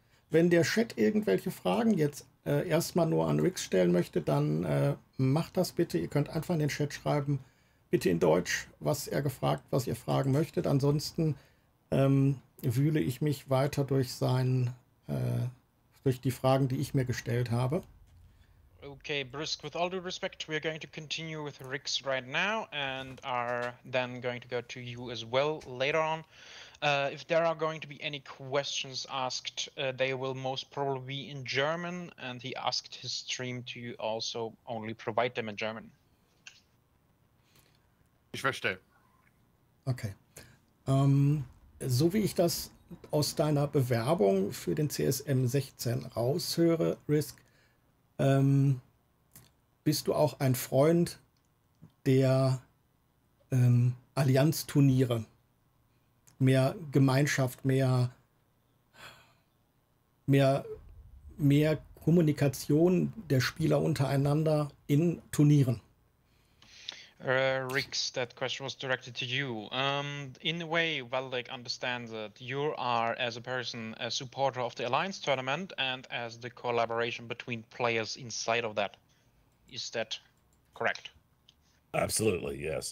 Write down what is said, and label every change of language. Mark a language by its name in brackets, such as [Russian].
[German] Wenn der Chat irgendwelche Fragen jetzt erstmal nur an Riggs stellen möchte, dann macht das bitte. Ihr könnt einfach in den Chat schreiben, bitte in Deutsch, was ihr fragen möchtet. Ansonsten wühle ich mich weiter durch die Fragen, die ich mir gestellt habe. [English] Okay, Brisk, with all due respect, we are going to continue with Riggs right now and are then going to go to you as well later on. If there are going to be any questions asked, they will most probably be in German and he asked his stream to you also only provide them in German. [German] Ich verstehe. Okay. So wie ich das aus deiner Bewerbung für den CSM 16 raushöre, Riggs, bist du auch ein Freund der Allianzturniere? Mehr Gemeinschaft, mehr Kommunikation der Spieler untereinander in Turnieren? [English] Riggs, that question was directed to you. In a way, Valdek understands that you are, as a person, a supporter of the Alliance tournament and as the collaboration between players inside of that. Is that correct? Absolutely, yes.